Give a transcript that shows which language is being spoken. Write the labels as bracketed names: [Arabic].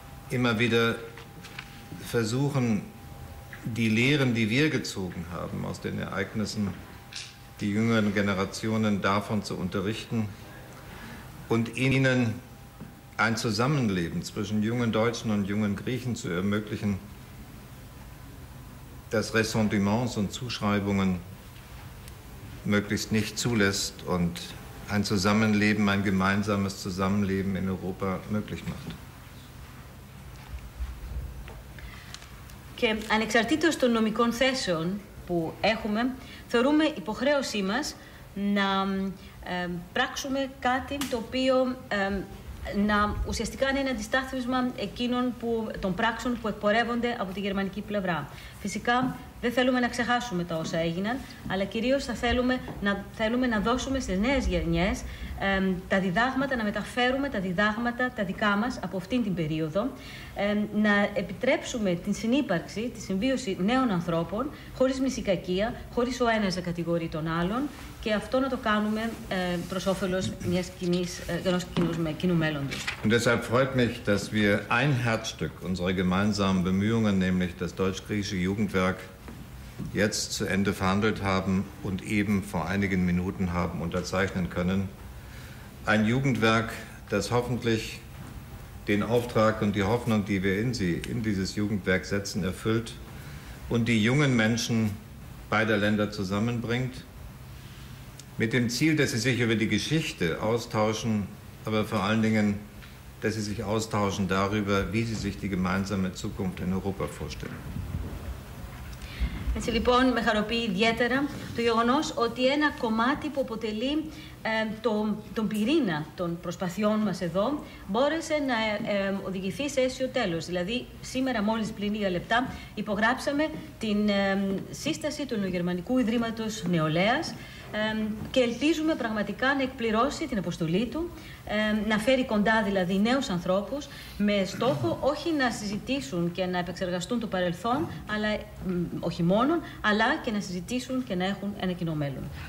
[German] immer wieder versuchen, die Lehren, die wir gezogen haben aus den Ereignissen, die jüngeren Generationen davon zu unterrichten und ihnen ein Zusammenleben zwischen jungen Deutschen und jungen Griechen zu ermöglichen, das Ressentiments und Zuschreibungen möglichst nicht zulässt und ein Zusammenleben, ein gemeinsames Zusammenleben in Europa möglich macht. [Greek] Και ανεξαρτήτως των νομικών θέσεων που έχουμε, θεωρούμε υποχρέωσή μας να πράξουμε κάτι το οποίο να ουσιαστικά είναι ένα αντιστάθμισμα εκείνων που, των πράξεων που εκπορεύονται από τη γερμανική πλευρά. Φυσικά, δεν θέλουμε να ξεχάσουμε τα όσα έγιναν, αλλά κυρίως θέλουμε να δώσουμε στις νέες γενιές τα διδάγματα, να μεταφέρουμε τα διδάγματα, τα δικά μας από αυτήν την περίοδο, να επιτρέψουμε την συνύπαρξη, τη συμβίωση νέων ανθρώπων, χωρίς μνησικακία, χωρίς ο ένας να κατηγορεί τον άλλον, και αυτό να το κάνουμε προς όφελος μιας κοινού μέλλοντος. [German] Und deshalb freut mich, dass wir ein Herzstück unserer gemeinsamen Bemühungen, nämlich das deutsch-griechische Jugendwerk, jetzt zu Ende verhandelt haben und eben vor einigen Minuten haben unterzeichnen können. Ein Jugendwerk, das hoffentlich den Auftrag und die Hoffnung, die wir in dieses Jugendwerk setzen, erfüllt und die jungen Menschen beider Länder zusammenbringt, mit dem Ziel, dass sie sich über die Geschichte austauschen, aber vor allen Dingen dass Sie sich austauschen darüber, wie Sie sich die gemeinsame Zukunft in Europa vorstellen. [Greek] Έτσι λοιπόν με χαροποιεί ιδιαίτερα το γεγονός ότι ένα κομμάτι που αποτελεί τον πυρήνα των προσπαθειών μας εδώ μπόρεσε να οδηγηθεί σε αίσιο τέλος. Δηλαδή σήμερα μόλις πριν λίγα λεπτά υπογράψαμε την σύσταση του Νεογερμανικού Ιδρύματος Νεολαίας και ελπίζουμε πραγματικά να εκπληρώσει την αποστολή του, να φέρει κοντά δηλαδή νέους ανθρώπους με στόχο όχι να συζητήσουν και να επεξεργαστούν το παρελθόν, αλλά όχι μόνο, αλλά και να συζητήσουν και να έχουν ένα κοινό μέλλον.